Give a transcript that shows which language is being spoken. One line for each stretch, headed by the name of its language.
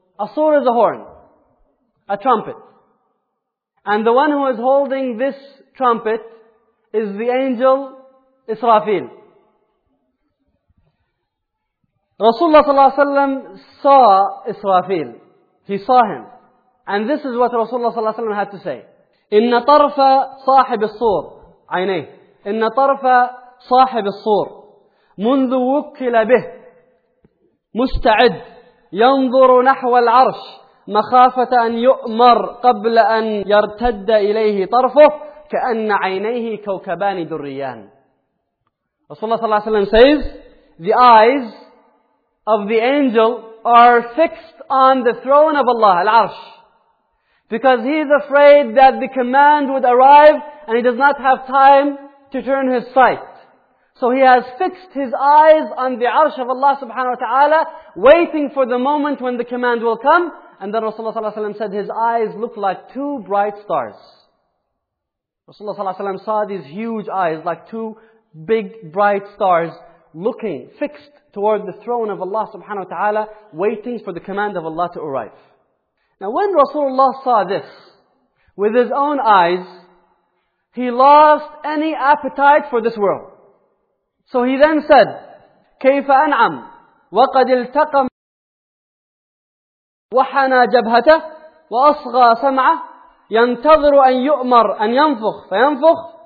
English: Asur is a horn, a trumpet. And the one who is holding this trumpet is the angel Israfil. Rasulullah sallallahu alayhi wa sallam saw Israfil. He saw him. And this is what Rasulullah sallallahu alayhi wa sallam had to say.
Arabic: إن طرف صاحب الصور عينيه إن طرف صاحب الصور منذ وكل به مستعد ينظر نحو العرش مخافة أن يؤمر قبل أن يرتد إليه طرفه كأن عينيه كوكبان دريان.
English: رسول الله صلى الله عليه وسلم says, the eyes of the angel are fixed on the throne of Allah, العرش. Because he is afraid that the command would arrive and he does not have time to turn his sight. So he has fixed his eyes on the arsh of Allah subhanahu wa ta'ala, waiting for the moment when the command will come. And then Rasulullah sallallahu alayhi wa sallam said his eyes look like two bright stars. Rasulullah sallallahu alayhi wa sallam saw these huge eyes like two big bright stars looking fixed toward the throne of Allah subhanahu wa ta'ala, waiting for the command of Allah to arrive. Now when Rasulullah saw this with his own eyes, he lost any appetite for this world. So he then said,
Arabic: كَيْفَ أَنْعَمْ وَقَدْ إِلْتَقَمْ وَحَنَى جَبْهَتَهُ وَأَصْغَى سَمْعَهُ يَنْتَظْرُ أَنْ يُؤْمَرْ أَنْ يَنْفُخْ فَيَنْفُخْ.